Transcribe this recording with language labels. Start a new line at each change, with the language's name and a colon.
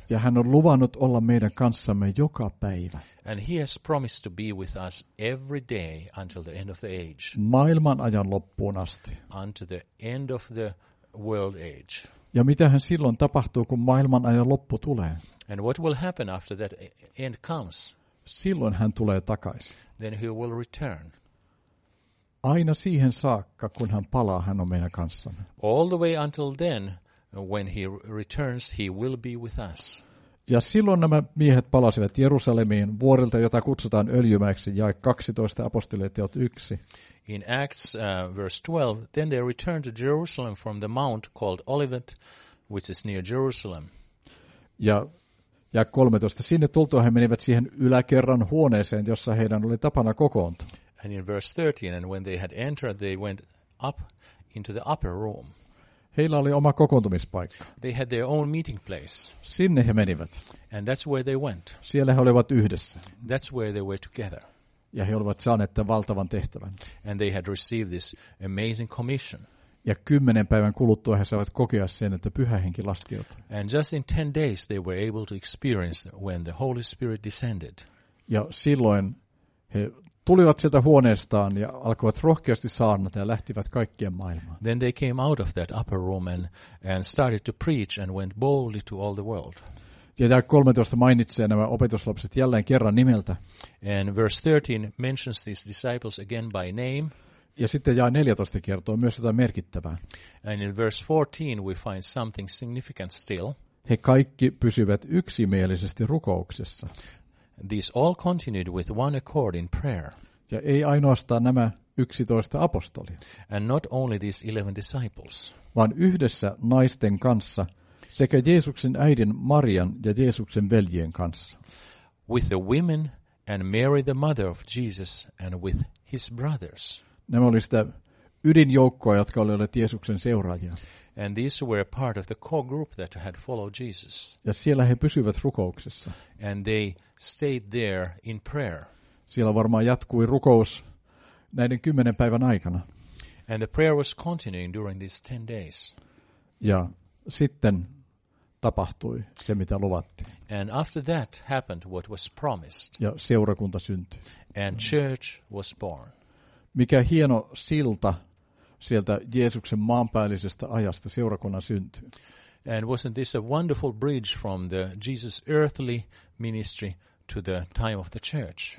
Finnish: Ja hän on luvannut olla meidän kanssamme joka päivä.
English: And he has promised to be with us every day until the end of the age.
Finnish: Maailman ajan loppuun asti.
English: Until the end of the world age.
Finnish: Ja mitä hän silloin tapahtuu, kun maailman ajan loppu tulee?
English: And what will happen after that end comes?
Finnish: Silloin hän tulee takaisin.
English: Then he will return.
Finnish: Aina siihen saakka, kun hän palaa, hän on meidän kanssamme.
English: All the way until then, when he returns, he will be with us.
Finnish: Ja silloin nämä miehet palasivat Jerusalemiin vuorilta, jota kutsutaan Öljymäeksi, jae 12, apostolien teot 1.
English: In Acts verse 12, then they returned to Jerusalem from the mount called Olivet, which is near Jerusalem.
Finnish: Ja 13, sinne tultua he menivät siihen yläkerran huoneeseen, jossa heidän oli tapana kokoontua.
English: And in verse 13, and when they had entered, they went up into the upper room.
Finnish: Heillä oli oma kokoontumispaikka.
English: They had their own meeting place.
Finnish: Sinne he menivät.
English: And that's where they went.
Finnish: Siellä he olivat yhdessä.
English: That's where they were together.
Finnish: Ja he olivat saaneet tämän valtavan tehtävän.
English: And they had received this amazing commission.
Finnish: Ja 10 päivän kuluttua he saivat kokea sen, että Pyhä Henki laskeutui.
English: And just in 10 days they were able to experience when the Holy Spirit descended.
Finnish: Ja silloin he tulivat sieltä huoneestaan ja alkoivat rohkeasti saarnata ja lähtivät kaikkien maailmaan.
English: Then they came out of that upper room and started to preach and went boldly to all the world.
Finnish: Ja tämä 13 mainitsee nämä opetuslapset jälleen kerran nimeltä.
English: And verse 13 mentions these disciples again by name.
Finnish: Ja sitten jae 14 kertoo myös jotain merkittävää.
English: And in verse 14 we find something significant still.
Finnish: He kaikki pysyvät yksimielisesti rukouksessa.
English: These all continued with one accord in prayer.
Finnish: Ja ei ainoastaan nämä 11 apostolia.
English: And not only these 11 disciples.
Finnish: Vaan yhdessä naisten kanssa sekä Jeesuksen äidin Marian ja Jeesuksen veljien kanssa.
English: with the women and Mary the mother of Jesus and with his brothers.
Finnish: Nämä oli sitä ydinjoukkoa, jotka olivat Jeesuksen seuraajia.
English: And these were a part of the core group that had followed Jesus.
Finnish: Ja siellä he pysyivät rukouksessa.
English: And they stayed there in prayer.
Finnish: Siellä varmaan jatkui rukous näiden 10 päivän aikana.
English: And the prayer was continuing during these 10 days.
Finnish: Ja sitten tapahtui se, mitä luvattiin.
English: And after that happened what was promised.
Finnish: Ja seurakunta syntyi.
English: And church was born.
Finnish: Mikä hieno silta sieltä Jeesuksen maanpäällisestä ajasta seurakunnan syntyy.
English: And wasn't this a wonderful bridge from the Jesus earthly ministry to the time of the church?